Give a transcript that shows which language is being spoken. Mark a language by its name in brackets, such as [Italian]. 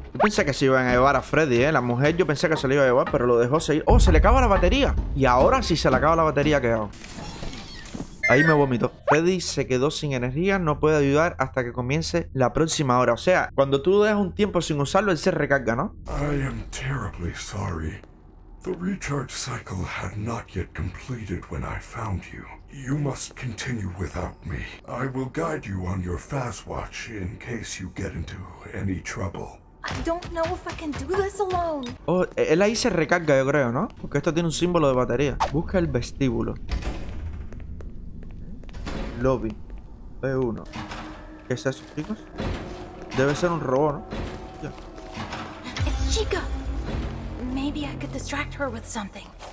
[Spanish] Yo pensé que se iban a llevar a Freddy, ¿eh? La mujer yo pensé que se le iba a llevar, pero lo dejó seguir. ¡Oh, se le acaba la batería! Y ahora sí se le acaba la batería, ¿qué hago? Ahí me vomito. Freddy se quedó sin energía, no puede ayudar hasta que comience la próxima hora. O sea, cuando tú dejas un tiempo sin usarlo, él se recarga, ¿no? [English] I am terribly sorry. The recharge cycle had not yet completed when I found you. You must continue without me. I will guide you on your fast watch in case you get into any trouble. I don't know if I can do this alone. [Spanish] Oh, él ahí se recarga, yo creo, ¿no? Porque esto tiene un símbolo de batería. Busca el vestíbulo. Lobby. B1. ¿Qué es eso, chicos? Debe ser un robot, ¿no? [English] Yeah. It's Chica. Maybe I could distract her with something.